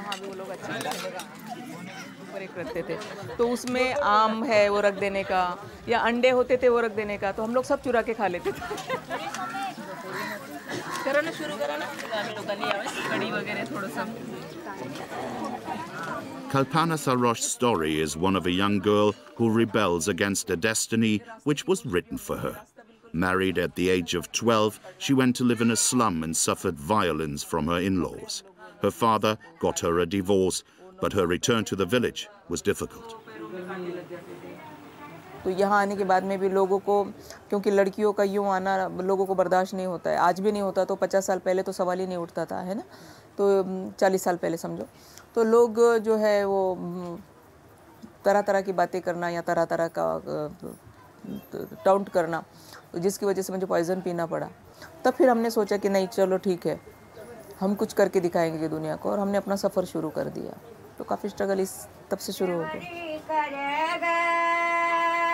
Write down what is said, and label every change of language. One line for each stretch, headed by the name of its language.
Hindi: रखते थे तो उसमें आम है वो रख देने का या अंडे होते थे वो रख देने का तो हम लोग सब चुरा के खा लेते थे करा ना शुरू करा ना हम लोग कली आवे कड़ी वगैरह थोड़ा सा
English: Kalpana Sarosh's story is one of a young girl who rebels against a destiny which was written for her married at the age of 12 she went to live in a slum and suffered violence from her in-laws her father got her a divorce But her return to the village was difficult.
Hindi: तो यहाँ आने के बाद में भी लोगों को क्योंकि लड़कियों का यूँ आना लोगों को बर्दाश्त नहीं होता है आज भी नहीं होता तो 50 साल पहले तो सवाल ही नहीं उठता था है ना तो 40 साल पहले समझो तो लोग जो है वो तरह तरह की बातें करना या तरह तरह का टाउंट करना जिसकी वजह से मुझे पॉइजन पीना पड़ा तब फिर हमने सोचा कि नहीं चलो ठीक है हम कुछ करके दिखाएंगे दुनिया को और हमने अपना सफ़र शुरू कर दिया तो काफ़ी स्ट्रगल इस तब से शुरू हो गया